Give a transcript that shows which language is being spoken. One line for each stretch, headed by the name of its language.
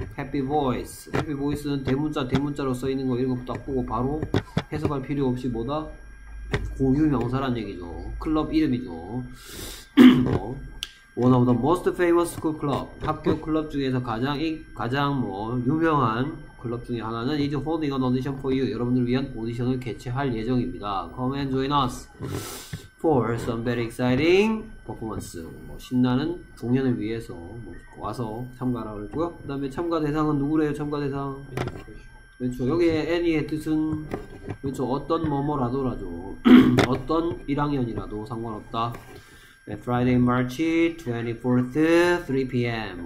Korean: Happy voice. Happy voice는 대문자 대문자로 써 있는 거 이런 거 딱 보고 바로 해석할 필요 없이 뭐다 고유 명사란 얘기죠. 클럽 이름이죠. 뭐.
English: One of the most famous school club.
Korean: 학교 클럽 중에서 가장 가장 뭐 유명한 클럽 중에 하나는 이제
English: holding an audition for you.
Korean: 여러분들을 위한 오디션을 개최할 예정입니다.
English: Come and join us for some very exciting performance.
Korean: 뭐 신나는 공연을 위해서 뭐 와서 참가하라고 했고요. 그 다음에 참가 대상은 누구래요? 참가 대상. 그렇죠. 여기에 any의 뜻은 그렇죠. 어떤 뭐뭐라도라도 어떤 1학년이라도 상관없다.
English: Friday, March 24th, 3pm.